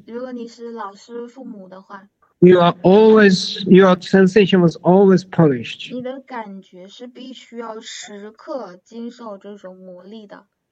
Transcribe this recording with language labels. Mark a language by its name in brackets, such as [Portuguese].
[Chinese] 如果你是老师、父母的话 [English] ，you are always your sensation was always polished. [Chinese] 你的感觉是必须要时刻经受这种磨砺的。